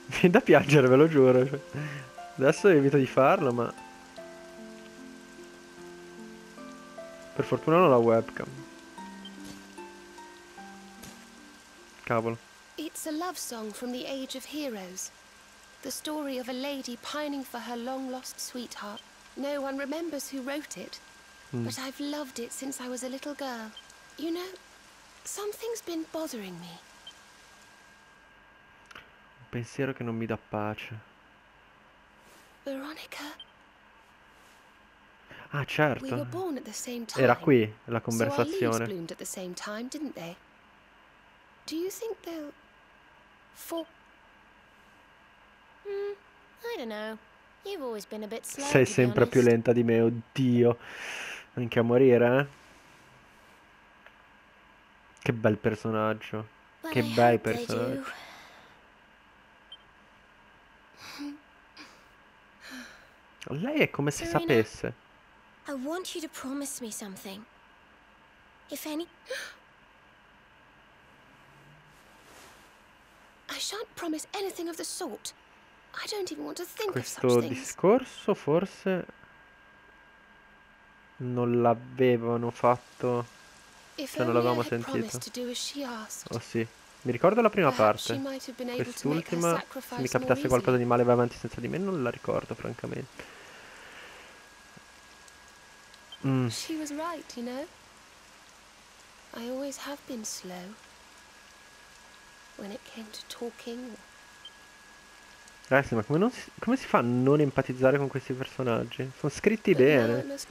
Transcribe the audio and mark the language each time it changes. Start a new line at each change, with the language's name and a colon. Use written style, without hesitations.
Italian: Da piangere, ve lo giuro. Adesso evito di farlo, ma... Per fortuna non ho la webcam. Cavolo.
English: It's a love song from the Age of Heroes. The story of a lady pining for her long lost sweetheart. No one remembers who wrote it, but I've loved it since I was a little girl. You know, something's been bothering me.
Italian: Pensiero che non mi dà pace. Veronica? Ah, certo. Era qui la conversazione. Quindi le leggi si bloomed al tempo, non?
English: Do you think they'll... For... I don't know. You've always been a bit slow.
Italian: Sei sempre più lenta di me, oddio. Anche a morire, eh? Che bel personaggio. Che bel personaggio. Lei è come se sapesse.
English: I want you to promise me something. If any... I shan't promise anything of the sort. I don't even want to think of
Italian: questo discorso forse non l'avevano fatto. Se non l'avevamo sentito. Oh sì. Mi ricordo la prima parte. Quest'ultima, se mi capitasse qualcosa di male, va avanti senza di me, non la ricordo, francamente.
English: She was right, you know. I always have been slow when it came to talking.
Italian: Ragazzi, ma come, non si, come si fa a non empatizzare con questi personaggi? Sono scritti bene.